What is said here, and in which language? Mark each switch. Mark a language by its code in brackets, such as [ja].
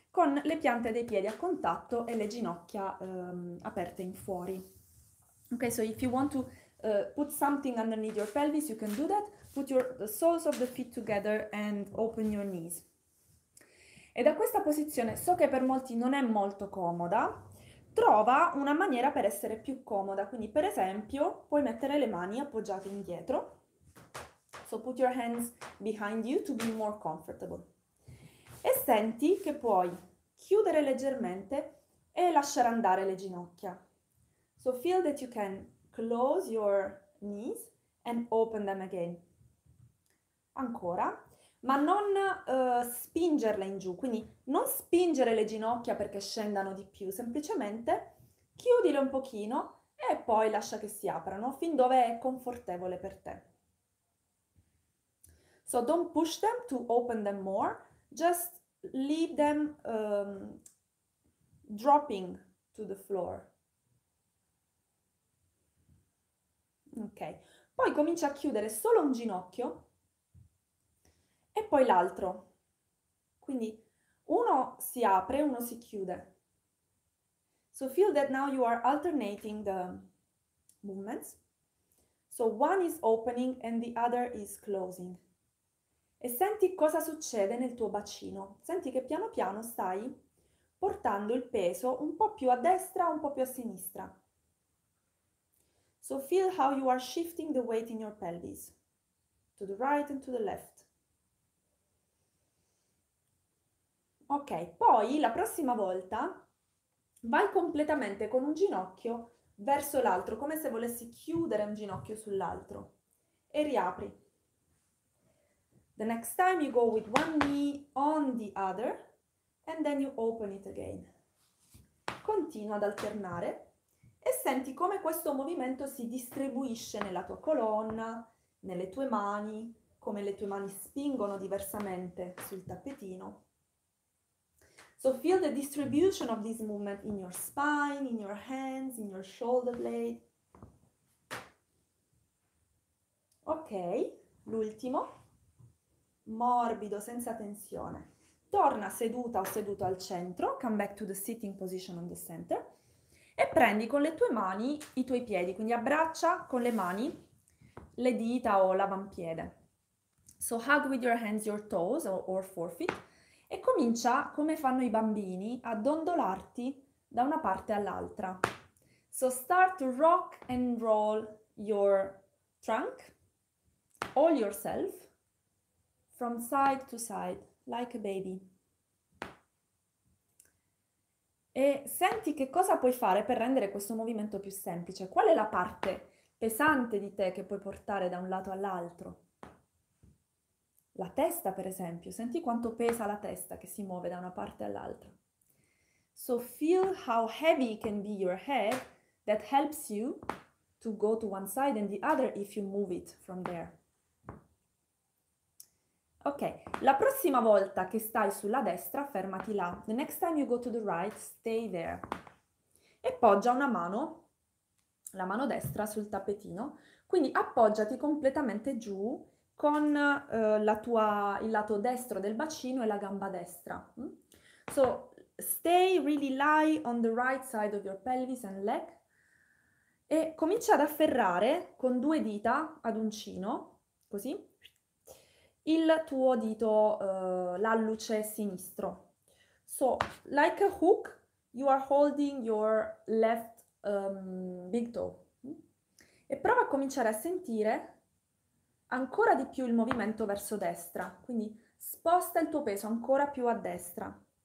[it] Con le piante dei piedi a contatto e le ginocchia aperte in fuori. [en] Ok, so if you want to put something underneath your pelvis, you can do that. Put the soles of the feet together and open your knees. [it] E da questa posizione, so che per molti non è molto comoda, trova una maniera per essere più comoda. Quindi, per esempio, puoi mettere le mani appoggiate indietro. [en] So put your hands behind you to be more comfortable. [it] E senti che puoi chiudere leggermente e lasciare andare le ginocchia. [en] So feel that you can close your knees and open them again. [it] Ancora, ma non spingerle in giù, quindi non spingere le ginocchia perché scendano di più, semplicemente chiudile un pochino e poi lascia che si aprano fin dove è confortevole per te. [en] So don't push them to open them more, just leave them dropping to the floor. [it] Ok, poi comincia a chiudere solo un ginocchio e poi l'altro. Quindi uno si apre, uno si chiude. [en] So feel that now you are alternating the movements. So one is opening and the other is closing. [it] E senti cosa succede nel tuo bacino. Senti che piano piano stai portando il peso un po' più a destra, un po' più a sinistra. [en] So feel how you are shifting the weight in your pelvis, to the right and to the left. [it] Ok, poi la prossima volta vai completamente con un ginocchio verso l'altro, come se volessi chiudere un ginocchio sull'altro e riapri. [en] The next time you go with one knee on the other and then you open it again. [it] Continua ad alternare e senti come questo movimento si distribuisce nella tua colonna, nelle tue mani, come le tue mani spingono diversamente sul tappetino. [en] So feel the distribution of this movement in your spine, in your hands, in your shoulder blade. [it] Ok, l'ultimo. Morbido, senza tensione. Torna seduta o seduto al centro, [en] come back to the sitting position on the center, [it] e E prendi con le tue mani i tuoi piedi, quindi abbraccia con le mani le dita o l'avampiede. [en] So hug with your hands your toes or forefeet [it] e comincia come fanno i bambini a dondolarti da una parte all'altra. [en] So start to rock and roll your trunk all yourself from side to side like a baby. [it] E senti che cosa puoi fare per rendere questo movimento più semplice. Qual è la parte pesante di te che puoi portare da un lato all'altro? La testa, per esempio. Senti quanto pesa la testa che si muove da una parte all'altra. [en] So feel how heavy can be your head that helps you to go to one side and the other if you move it from there. [it] Ok, la prossima volta che stai sulla destra, fermati là. [en] The next time you go to the right, stay there. [it] E poggia una mano, la mano destra, sul tappetino. Quindi appoggiati completamente giù con il lato destro del bacino e la gamba destra. [en] So, stay really lie on the right side of your pelvis and leg. [it] E comincia ad afferrare con due dita ad uncino, così. Il tuo dito, l'alluce sinistro. [en] So, like a hook, you are holding your left big toe. [it] E prova a cominciare a sentire ancora di più il movimento verso destra. Quindi sposta il tuo peso ancora più a destra.